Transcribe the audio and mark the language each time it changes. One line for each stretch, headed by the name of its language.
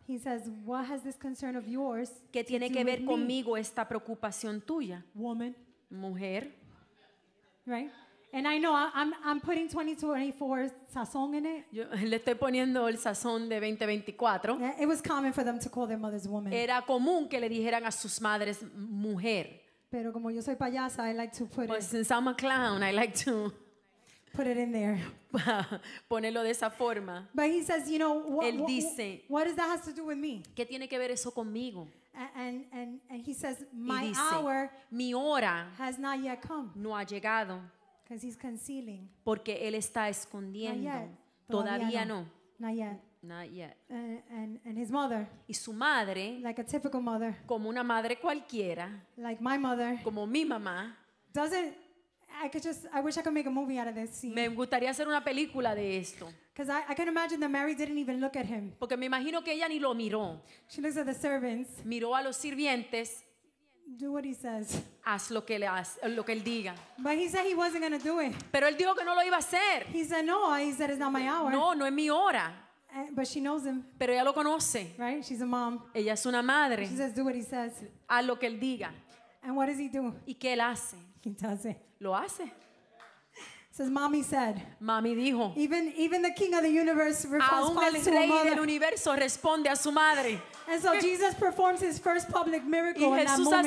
English: He says, what has this concern of yours?
Spanish: ¿Qué tiene que ver conmigo esta preocupación tuya?
English: Woman.
Spanish: Mujer.
English: Right? And I know I'm putting 2024 sazón in it.
Spanish: Yo le estoy poniendo el sazón de 2024.
English: It was common for them to call their mothers woman.
Spanish: Era común que le dijeran a sus madres mujer. Pero como yo soy payasa,
English: I like to put it. Well, since I'm a clown, I like to put it in there.
Spanish: Ponerlo de esa forma.
English: But he says, you know,
Spanish: él dice,
English: what does that have to do with me?
Spanish: ¿Qué tiene que ver eso conmigo?
English: And he says, my hour,
Spanish: mi hora,
English: has not yet come.
Spanish: No ha llegado.
English: Because he's concealing.
Spanish: Porque él está escondiendo.
English: Not yet.
Spanish: Todavía no.
English: Not yet. Not yet. And his mother.
Spanish: Y su madre.
English: Like a typical mother.
Spanish: Como una madre cualquiera.
English: Like my mother.
Spanish: Como mi mamá.
English: Doesn't I could just I wish I could make a movie out of this scene.
Spanish: Me gustaría hacer una película de esto.
English: Because I can imagine that Mary didn't even look at him.
Spanish: Porque me imagino que ella ni lo miró.
English: She looks at the servants.
Spanish: Miró a los sirvientes.
English: Do what he says.
Spanish: Haz lo que le lo que él diga.
English: But he said he wasn't going to do it.
Spanish: Pero él dijo que no lo iba a hacer.
English: He said no. He said it's not my hour.
Spanish: No, no es mi hora.
English: But she knows him.
Spanish: Pero ella lo conoce.
English: Right? She's a mom.
Spanish: Ella es una madre.
English: She says, "Do what he says."
Spanish: Haz lo que él diga.
English: And what does he do?
Spanish: ¿Y qué él hace?
English: He does it.
Spanish: Lo hace.
English: Says, "Mommy said."
Spanish: Mami dijo.
English: Even the king of the universe responds to a mother.
Spanish: Aún el rey del universo responde a su madre.
English: And so Jesus performs his first public miracle in that moment.